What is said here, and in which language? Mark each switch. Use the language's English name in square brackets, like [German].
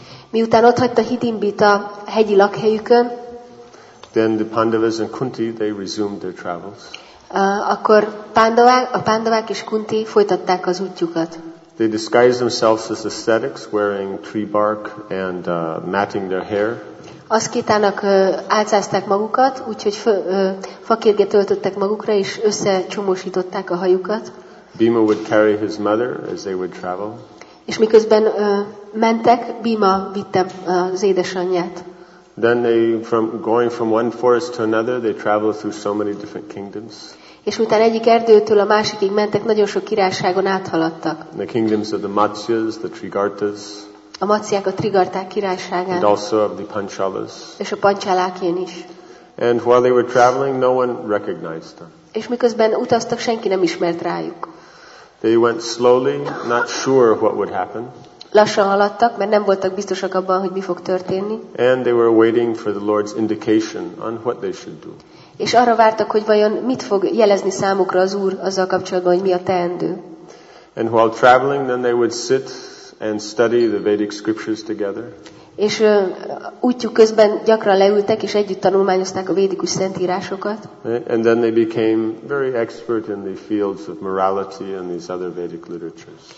[Hungarian] Miután ott hagyta Hidimbit a hegyi lakhelyükön, [English] then the Pandavas and Kunti, they resumed their travels. [Hungarian] Akkor a Pandavák és Kunti folytatták az útjukat. [English] They disguised themselves as ascetics, wearing tree bark and matting their hair. [Hungarian] Aszkétának álcázták magukat, úgyhogy fakirgét öltöttek magukra és összecsomósították a hajukat. [English] Bhima would carry his mother as they would travel. [Hungarian] És miközben mentek, Bhima vitte az édesanyját. [English] Then they going from one forest to another, they travel through so many different kingdoms. [Hungarian] És miután egyik erdőtől a másikig mentek, nagyon sok királyságon áthaladtak. [English] The kingdoms of the Matsyas, the Trigartas. [Hungarian] A Matsyák, a Trigarták királyságán. [English] And also of the Panchalas. [Hungarian] És a Panchalákén is. [English] And while they were traveling, no one recognized them. [Hungarian] És miközben utaztak, senki nem ismert rájuk. [English] They went slowly, not sure what would happen. [Hungarian] Lassan haladtak, mert nem voltak biztosak abban, hogy mi fog történni. [English] And they were waiting for the Lord's indication on what they should do. [Hungarian] És arra vártak, hogy vajon mit fog jelezni számukra az Úr azzal kapcsolatban, hogy mi a teendő. [English] And while traveling, then they would sit and study the Vedic scriptures together. [Hungarian] És útjuk közben gyakran leültek és együtt tanulmányozták a védikus szentírásokat. [English] And then they became very expert in the fields of morality and these other Vedic literatures.